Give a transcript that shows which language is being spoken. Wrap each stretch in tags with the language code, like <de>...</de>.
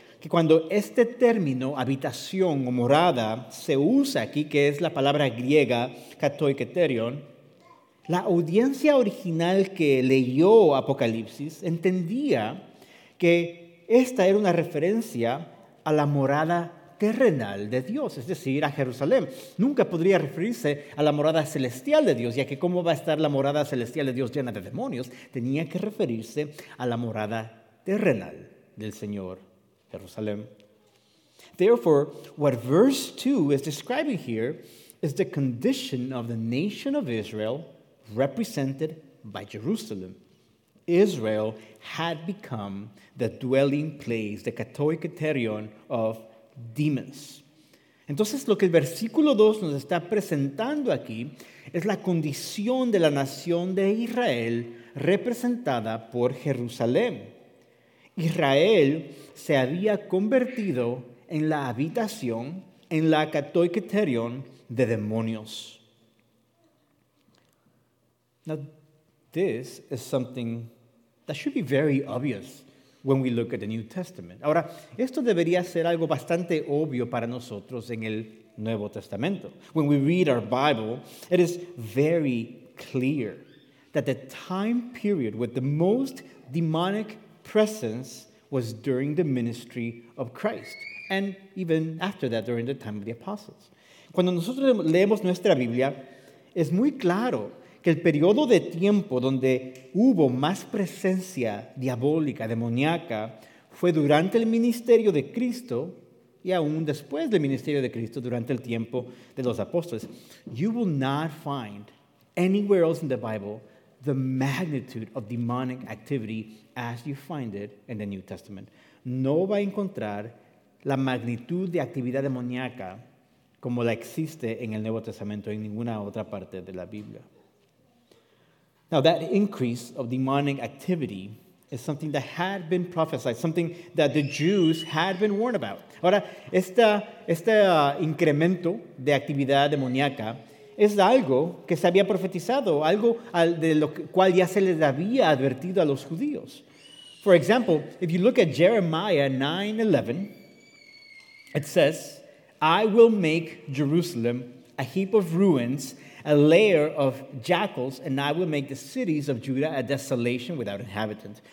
<es>que cuando este término habitación o morada se usa aquí, que es la palabra griega katoiketerion, la audiencia original que leyó Apocalipsis entendía que esta era una referencia a la morada terrenal de Dios, es decir, a Jerusalén. Nunca podría referirse a la morada celestial de Dios, ya que ¿cómo va a estar la morada celestial de Dios llena de demonios? Tenía que referirse a la morada terrenal del Señor Jerusalén.</es> <en>Therefore, what verse 2 is describing here is the condition of the nation of Israel represented by Jerusalem. Israel had become the dwelling place, the katoiketerion of demons.</en> <es>Entonces, lo que el versículo 2 nos está presentando aquí es la condición de la nación de Israel representada por Jerusalén. Israel se había convertido en la habitación, en la katoiketerion de demonios.</es> <en>Now, this is something that should be very obvious when we look at the New Testament.</en> <es>Ahora, esto debería ser algo bastante obvio para nosotros en el Nuevo Testamento.</es> <en>When we read our Bible, it is very clear that the time period with the most demonic presence was during the ministry of Christ, and even after that, during the time of the apostles.</en> <es>Cuando nosotros leemos nuestra Biblia, es muy claro que el periodo de tiempo donde hubo más presencia diabólica, demoníaca, fue durante el ministerio de Cristo y aún después del ministerio de Cristo, durante el tiempo de los apóstoles.</es> <en>You will not find anywhere else in the Bible the magnitude of demonic activity as you find it in the New Testament.</en> <es>No va a encontrar la magnitud de actividad demoníaca como la existe en el Nuevo Testamento en ninguna otra parte de la Biblia.</es> <en>Now, that increase of demonic activity is something that had been prophesied, something that the Jews had been warned about.</en> <es>Ahora, este incremento de actividad demoníaca es algo que se había profetizado, algo de lo cual ya se les había advertido a los judíos.</es> <en>For example, if you look at Jeremiah 9:11, it says, I will make Jerusalem a heap of ruins, a lair of jackals, and I will make the cities of Judah a desolation without inhabitants.</en>